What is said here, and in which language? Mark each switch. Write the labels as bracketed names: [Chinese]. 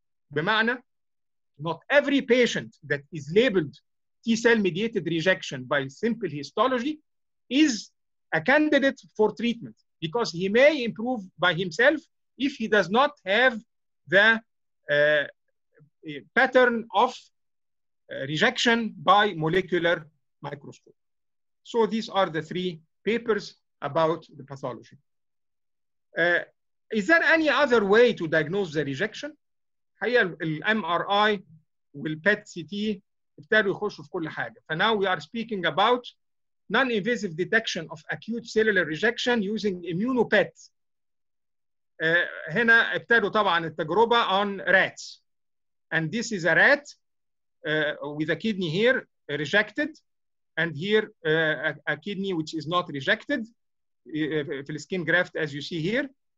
[English] بمعنى, not every patient that is labeled T-cell mediated rejection by simple histology is a candidate for treatment because he may improve by himself if he does not have the pattern of rejection by molecular microscope. So these are the three papers about the pathology. Is there any other way to diagnose the rejection? [Arabic] هي MRI والPET CT بتاعوا يخشوا في كل حاجة. [English] For now we are speaking about non-invasive detection of acute cellular rejection using immunoPET. [Arabic] هنا ابتدوا طبعا التجربة [English] on rats. And this is a rat with a kidney here rejected. And here a kidney which is not rejected for the skin graft as you see here.